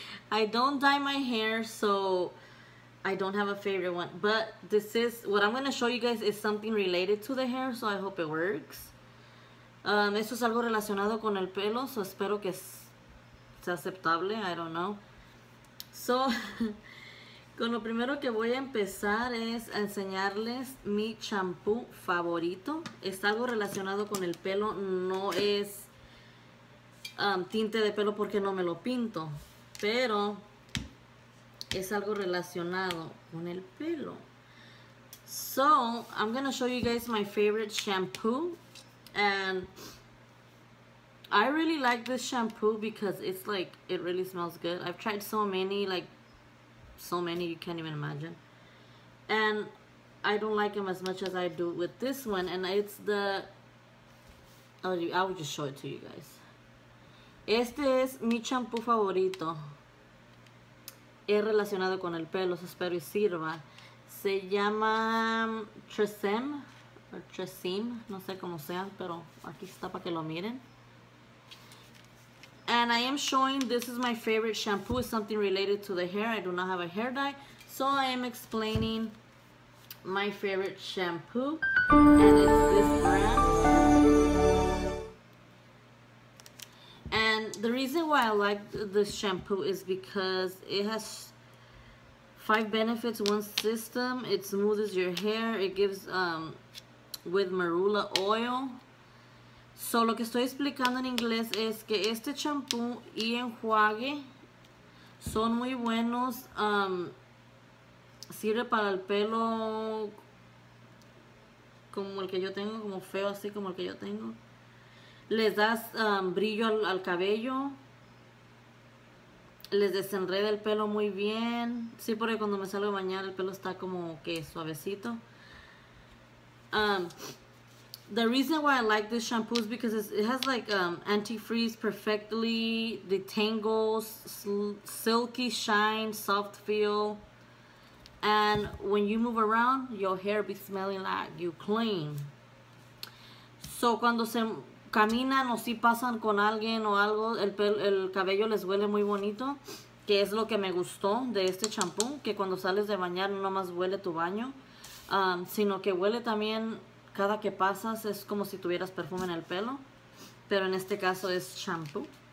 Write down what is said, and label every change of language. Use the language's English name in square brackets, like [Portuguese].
[English] I don't dye my hair, so I don't have a favorite one. But this is what I'm going to show you guys is something related to the hair, so I hope it works. [Spanish] Esto es algo relacionado con el pelo, so espero que sea aceptable. [English] I don't know. [Spanish] So, con lo primero que voy a empezar es a enseñarles mi champú favorito. Está algo relacionado con el pelo, no es tinte de pelo porque no me lo pinto, pero es algo relacionado con el pelo. [English] So, I'm gonna show you guys my favorite shampoo. And I really like this shampoo because it's like, it really smells good. I've tried so many, like, so many, you can't even imagine. And I don't like them as much as I do with this one. And it's the, I'll just show it to you guys. [Spanish] Este es mi champú favorito. Es relacionado con el pelo, espero y sirva. Se llama Tresemme. O Tresemme, no sé cómo sea, pero aquí está para que lo miren. [English] And I am showing this is my favorite shampoo. It's something related to the hair. I do not have a hair dye. So I am explaining my favorite shampoo. And it's this brand. And the reason why I like this shampoo is because it has 5 benefits. 1 system, it smooths your hair. It gives... with marula oil. [Spanish] So lo que estoy explicando en inglés es que este champú y enjuague son muy buenos. Sirve para el pelo como el que yo tengo, como feo así como el que yo tengo. Les das brillo al cabello. Les desenreda el pelo muy bien. Sí, porque cuando me salgo a bañar el pelo está como que suavecito. [English] The reason why I like this shampoo is because it has like antifreeze, perfectly detangles, silky shine, soft feel, and when you move around, your hair be smelling like you clean. [Spanish] So cuando se caminan o si pasan con alguien o algo, el cabello les huele muy bonito, que es lo que me gustó de este shampoo, que cuando sales de bañar no más huele tu baño. Sino que huele también cada que pasas, es como si tuvieras perfume en el pelo, pero en este caso es shampoo.